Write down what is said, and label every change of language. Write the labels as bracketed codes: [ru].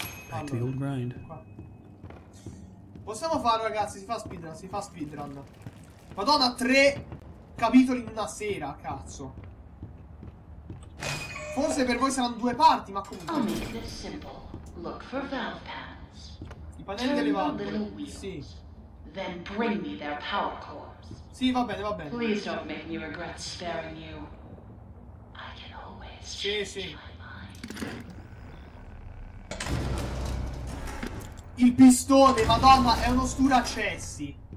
[en] Back to the old grind. [it] Possiamo farlo, ragazzi. Si fa speedrun. Madonna, 3 capitoli in una sera, cazzo. Forse per voi saranno 2 parti, ma comunque. [en] I'll make this simple. Look for valve pads. [it] I pannelli delle valve. Sì. [en] Then bring me their power cores. [it] Sì, va bene, va bene. [en] Please don't make me regret sparing you. I can always change my mind. [it] Il pistone, madonna, è uno scuracessi.